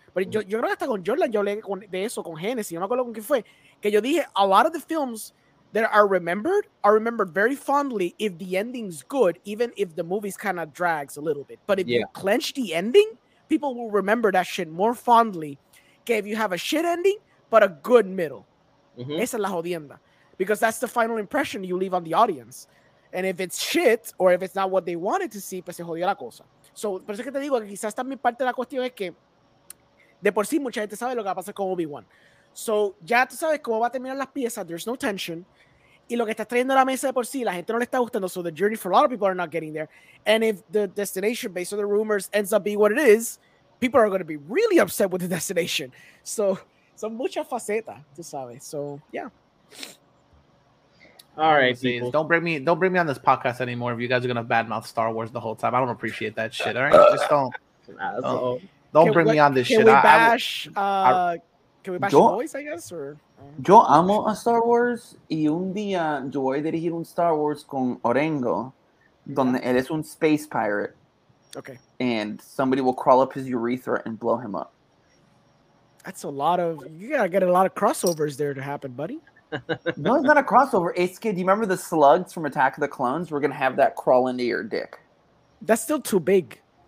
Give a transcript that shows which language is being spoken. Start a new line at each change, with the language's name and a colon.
English: But
Spanish: yo creo que hasta con Jordan, yo leí de eso, con Genesis, no me acuerdo con qué fue, que yo dije,
English: a lot of the films that are remembered very fondly if the ending's good, even if the movie's kind of drags a little bit. But if you clench the ending, people will remember that shit more fondly. Que if you have a shit ending, but a good middle. Mm-hmm.
Spanish: Esa es la jodienda.
English: Because that's the final impression you leave on the audience. And if it's shit, or if it's not what they wanted to see,
Spanish: pues se jodió la cosa. So, por eso que te digo, que quizás también parte de la cuestión es que de por sí mucha gente sabe lo que va a pasar con Obi-Wan. So, ya tú sabes cómo va a terminar las piezas.
English: There's no tension.
Spanish: Y lo que está trayendo a la mesa de por sí, la gente no le está gustando.
English: So, the journey for a lot of people are not getting there. And if the destination, based on the rumors, ends up being what it is, people are going to be really upset with the destination.
Spanish: So, son muchas facetas, tú sabes.
English: So, yeah. All right, people. Don't bring me on this podcast anymore if you guys are going to badmouth Star Wars the whole time. I don't appreciate that shit, all right? Just don't. Don't bring me on this shit. Can we bash... Can we bash yo, boys, I guess? Or
Spanish: yo amo a Star Wars y un día yo voy a dirigir un Star Wars con Orengo, donde él es un space pirate.
English: Okay. And somebody will crawl up his urethra and blow him up. That's a lot of, you gotta get a lot of crossovers there to happen, buddy. No, it's not a crossover. Ace Kid, you remember the slugs from Attack of the Clones? We're gonna have that crawl into your dick. That's still too big.